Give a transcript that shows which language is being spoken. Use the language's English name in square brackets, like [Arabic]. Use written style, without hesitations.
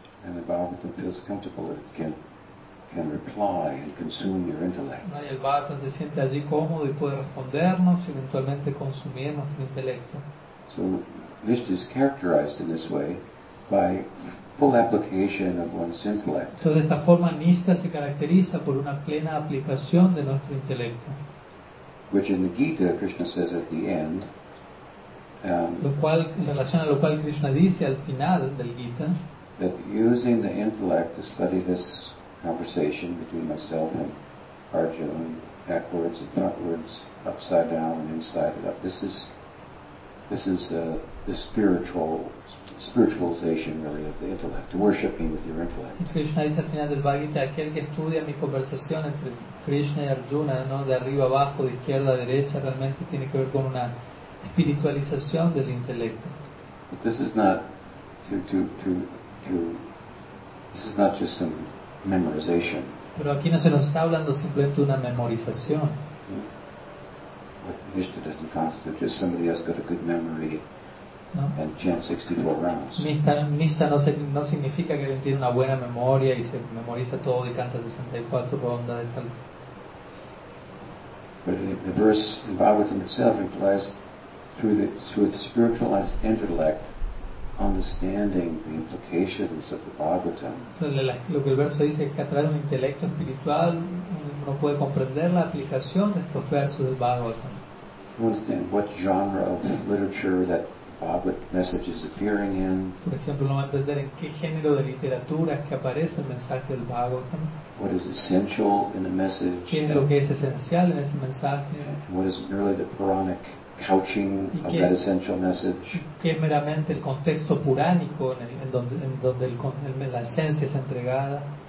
[English] And the Bhagavatam feels comfortable that it can reply and consume your intellect. [Spanish] No, y el Bhagavatam se siente allí cómodo y puede respondernos y eventualmente consumir nuestro intelecto. [English] So, nishta is characterized in this way by full application of one's intellect. [Spanish] Entonces, de esta forma, nishta se caracteriza por una plena aplicación de nuestro intelecto. [English] Which in the Gita, Krishna says at the end. [Spanish] Lo cual, en relación a lo cual Krishna dice al final del Gita. [English] That using the intellect to study this conversation between myself and Arjuna, backwards and frontwards, upside down and inside and up. This is the spiritualization really of the intellect, worshiping with your intellect. [Spanish] Krishna dice al final del Bhagavata, aquel que estudia mi conversación entre Krishna y Arjuna, ¿no? De arriba abajo, de izquierda a derecha, realmente tiene que ver con una espiritualización del intelecto. [English] But this is not this is not just some memorization. [Spanish] Pero aquí no se nos está hablando simplemente una memorización. [English] Nishta doesn't constitute just somebody has got a good memory. No. And chant 64 rounds. [Spanish] Nishta no significa que él tiene una buena memoria y se memoriza todo y canta 64 rondas de tal. [English] But the verse in Bhagavatam itself implies through the spiritualized intellect understanding the implications of the Bhagavatam. [Spanish] Lo que el verso dice es que a través de un intelecto espiritual uno puede comprender la aplicación de estos versos del Bhagavatam. [English] Understand what genre of literature that Bhagavad message is appearing in. [Spanish] Por ejemplo, vamos a entender en qué género de literatura es que aparece el mensaje del Bhagavatam. [English] What is essential in the message? [Spanish] ¿Qué es lo que es esencial en ese mensaje? [English] And what is really the Puranic couching of that essential message? [Spanish] ¿Qué es meramente el contexto puránico en donde la esencia es entregada?